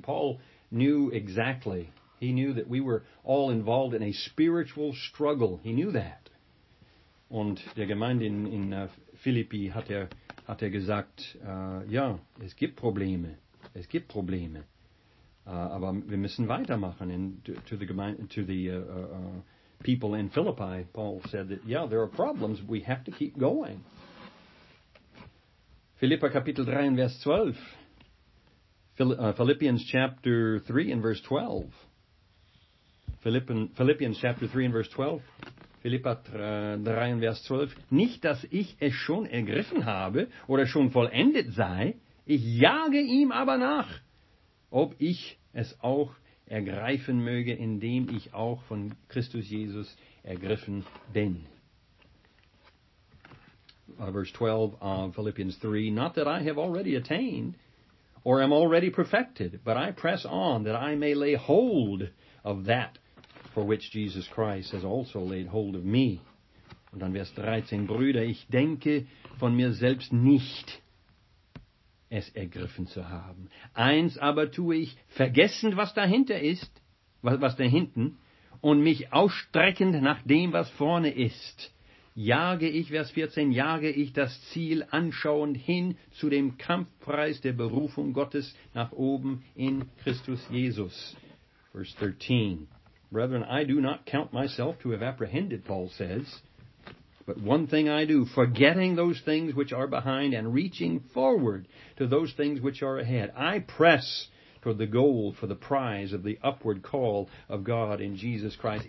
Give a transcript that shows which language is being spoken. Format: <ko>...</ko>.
<en>Paul knew exactly. He knew that we were all involved in a spiritual struggle. He knew that.</en> <de>Und der Gemeinde in Philippi hat er gesagt, ja, es gibt Probleme. Es gibt Probleme. Aber wir müssen weitermachen.</de> <en>And people in Philippi, Paul said that, yeah, there are problems, we have to keep going. Philippa Kapitel 3 and verse 12. Philippians chapter 3 and verse 12. Philippians chapter 3 and verse 12. Philippa 3 and verse 12.</en> <de>Nicht, dass ich es schon ergriffen habe oder schon vollendet sei, ich jage ihm aber nach, ob ich es auch ergreifen möge, indem ich auch von Christus Jesus ergriffen bin.</de> <en>Verse 12 of Philippians 3, not that I have already attained or am already perfected, but I press on that I may lay hold of that for which Jesus Christ has also laid hold of me.</en> <de>Und dann Vers 13, Brüder, ich denke von mir selbst nicht, es ergriffen zu haben. Eins aber tue ich, vergessend, was dahinter ist, was dahinten, und mich ausstreckend nach dem, was vorne ist, jage ich, Vers 14, jage ich das Ziel anschauend hin zu dem Kampfpreis der Berufung Gottes nach oben in Christus Jesus.</de> <en>Vers 13, Brethren, I do not count myself to have apprehended, Paul says, but one thing I do, forgetting those things which are behind and reaching forward to those things which are ahead. I press toward the goal for the prize of the upward call of God in Jesus Christ.</en>